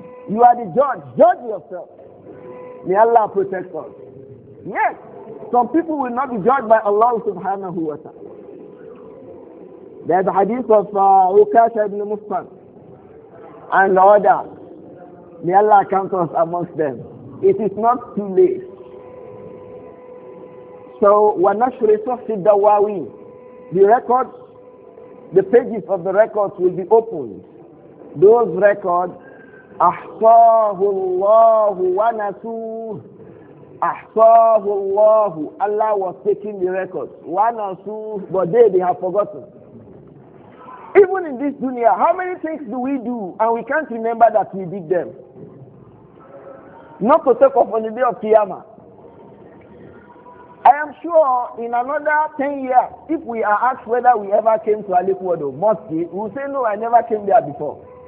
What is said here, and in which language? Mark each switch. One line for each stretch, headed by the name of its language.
English: You are the judge. Judge yourself. May Allah protect us. Yes. Some people will not be judged by Allah subhanahu wa ta'ala. There's a hadith of Ukasha ibn Mustan and others. May Allah count us amongst them. It is not too late. So,
Arabic: وَنَشْرِ صُحْفِ الدَّوَاوِينَ.
English: The records, the pages of the records will be opened. Those records,
Arabic: أَحْصَاهُ اللَّهُ وَنَسُوهُ. أَحْصَاهُ اللَّهُ.
English: Allah was taking the records.
Arabic: وَنَسُوهُ.
English: But they have forgotten. Even in this dunya, how many things do we do and we can't remember that we did them? Not to talk of on the day of Qiyamah. I am sure in another 10 years, if we are asked whether we ever came to Alifuodo Mosque, we will say, no, I never came there before.